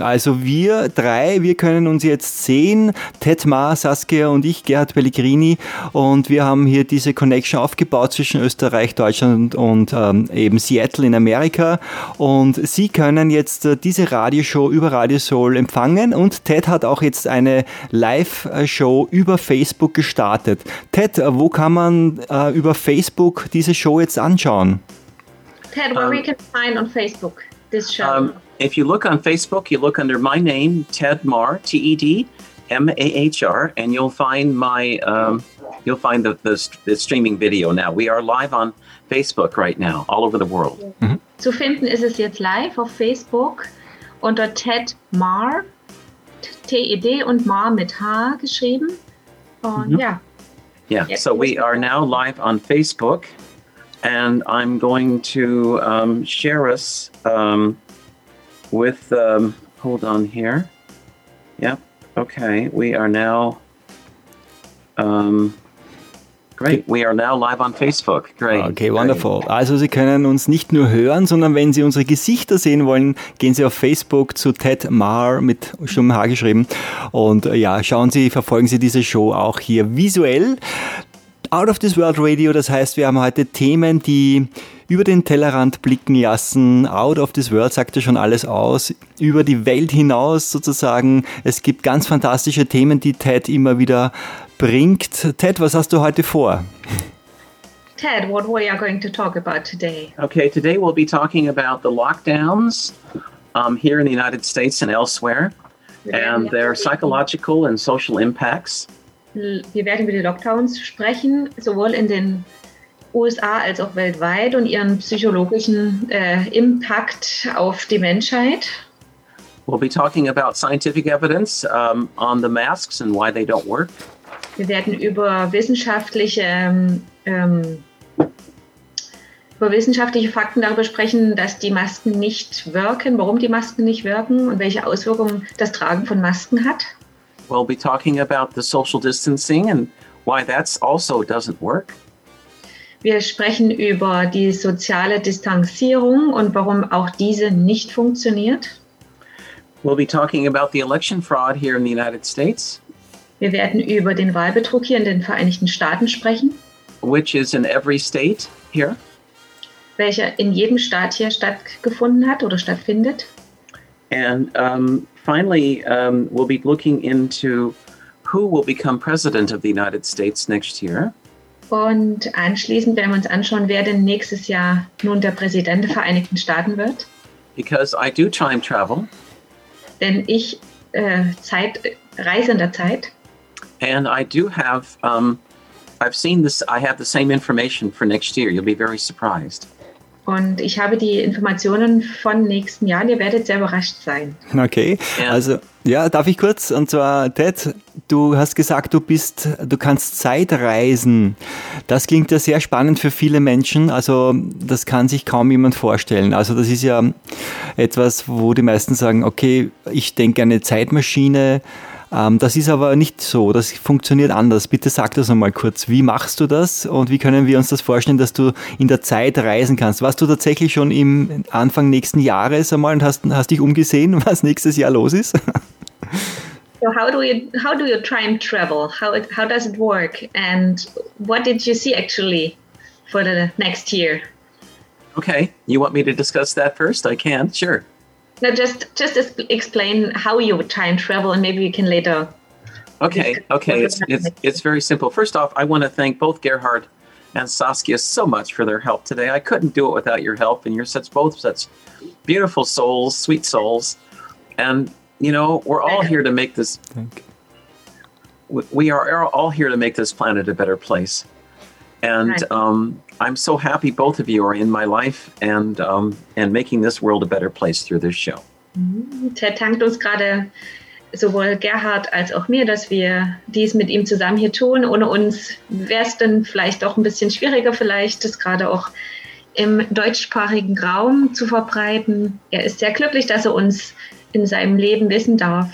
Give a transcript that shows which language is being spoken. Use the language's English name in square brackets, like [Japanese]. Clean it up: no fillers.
[German] Also wir drei, wir können uns jetzt sehen, Ted Ma, Saskia und ich, Gerhard Pellegrini, und wir haben hier diese Connection aufgebaut zwischen Österreich, Deutschland und eben Seattle in Amerika, und Sie können jetzt diese Radioshow über Radio Soul empfangen, und Ted hat auch jetzt eine Live-Show über Facebook gestartet. Ted, wo kann man über Facebook diese Show jetzt anschauen? [English] Ted, where we can find on Facebook this show? If you look on Facebook, you look under my name, Ted Mahr, T-E-D-M-A-H-R, and you'll find my you'll find the streaming video now. We are live on Facebook right now, all over the world. [German] Mm-hmm. Zu finden ist es jetzt live auf Facebook unter Ted Mahr. T-E-D und Ma mit H geschrieben. [English] Yeah, so we are now live on Facebook, and I'm going to share us with, hold on here. Yep, okay, we are now, great, we are now live on Facebook. Great. Okay, wonderful. Great. [German] Also Sie können uns nicht nur hören, sondern wenn Sie unsere Gesichter sehen wollen, gehen Sie auf Facebook zu Ted Mahr mit stummem H geschrieben. Und ja, schauen Sie, verfolgen Sie diese Show auch hier visuell. Out of this World Radio, das heißt, wir haben heute Themen, die über den Tellerrand blicken lassen. Out of this World sagt ja schon alles aus. Über die Welt hinaus sozusagen. Es gibt ganz fantastische Themen, die Ted immer wieder bringt. Ted, was hast du heute vor? [English] Ted, what are we going to talk about today? Okay, today we'll be talking about the lockdowns here in the United States and elsewhere, and their psychological and social impacts. [German] Wir werden über die Lockdowns sprechen, sowohl in den USA als auch weltweit, und ihren psychologischen Impact auf die Menschheit. [English] We'll be talking about scientific evidence on the masks and why they don't work. [German] Wir werden über wissenschaftliche Fakten darüber sprechen, dass die Masken nicht wirken, warum die Masken nicht wirken und welche Auswirkungen das Tragen von Masken hat. [English] We'll be talking about the social distancing and why that also doesn't work. [German] Wir sprechen über die soziale Distanzierung und warum auch diese nicht funktioniert. [English] We'll be talking about the election fraud here in the United States. [German] Wir werden über den Wahlbetrug hier in den Vereinigten Staaten sprechen. [English] Which is in every state here. [German] Welcher in jedem Staat hier stattgefunden hat oder stattfindet. [English] And finally, we'll be looking into who will become president of the United States next year. [German] Und anschließend werden wir uns anschauen, wer denn nächstes Jahr nun der Präsident der Vereinigten Staaten wird. [English] Because I do time travel. [German] Denn ich reise in der Zeit. [English] And I do have, I've seen this, I have the same information for next year. You'll be very surprised. [German] Und ich habe die Informationen von nächsten Jahren. Ihr werdet sehr überrascht sein. Okay, also, ja, darf ich kurz? Und zwar, Ted, du hast gesagt, du kannst Zeit reisen. Das klingt ja sehr spannend für viele Menschen. Also, das kann sich kaum jemand vorstellen. Also, das ist ja etwas, wo die meisten sagen, okay, ich denke an eine Zeitmaschine. Das ist aber nicht so, das funktioniert anders. Bitte sag das nochmal kurz. Wie machst du das und wie können wir uns das vorstellen, dass du in der Zeit reisen kannst? Warst du tatsächlich schon im Anfang nächsten Jahres einmal und hast dich umgesehen, was nächstes Jahr los ist? [English] So how do you time travel? How does it work? And what did you see actually for the next year? Okay, you want me to discuss that first? I can, sure. No, just explain how you would time travel and maybe you can later. Okay. It's very simple. First off, I want to thank both Gerhard and Saskia so much for their help today. I couldn't do it without your help, and you're both such beautiful souls, sweet souls. And you know, we're all here to make this. We are all here to make this planet a better place. And I'm so happy both of you are in my life and making this world a better place through this show. [German] Ted dankt uns gerade sowohl Gerhard als auch mir, dass wir dies mit ihm zusammen hier tun. Ohne uns wäre es dann vielleicht auch ein bisschen schwieriger, vielleicht das gerade auch im deutschsprachigen Raum zu verbreiten. Er ist sehr glücklich, dass er uns in seinem Leben wissen darf.